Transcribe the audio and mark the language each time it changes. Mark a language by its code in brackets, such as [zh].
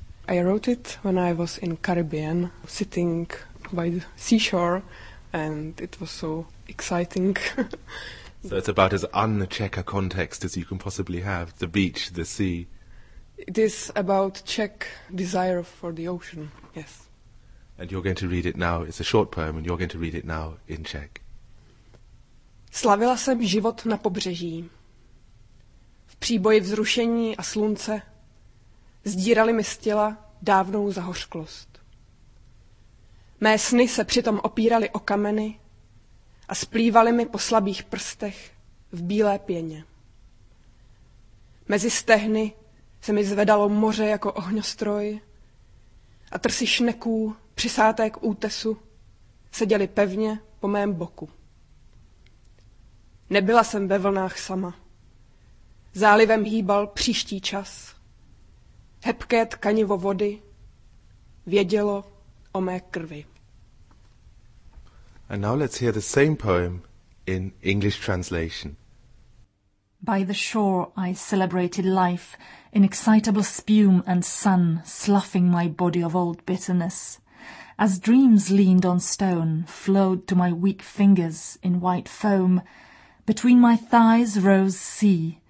[en] I wrote it when I was in Caribbean, sitting by the seashore, and it was so exciting. So it's about as un-Czech a context as you can possibly have, the beach, the sea. It is about Czech desire for the ocean, yes. And you're going to read it now, it's a short poem, and you're going to read it now in Czech. [cs] Slavila jsem život na pobřeží, v příboji vzrušení a slunce, zdírali mi z těla dávnou zahořklost. Mé sny se přitom opíraly o kameny a splývaly mi po slabých prstech v bílé pěně. Mezi stehny se mi zvedalo moře jako ohňostroj a trsy šneků přisáté k útesu seděly pevně po mém boku. Nebyla jsem ve vlnách sama. Zálivem hýbal příští čas. Hebké tkanivo vody vědělo o mé krvi. [en] And now let's hear the same poem in English translation. By the shore I celebrated life in excitable spume and sun, sloughing my body of old bitterness. As dreams leaned on stone, flowed to my weak fingers in white foam, between my thighs rose sea.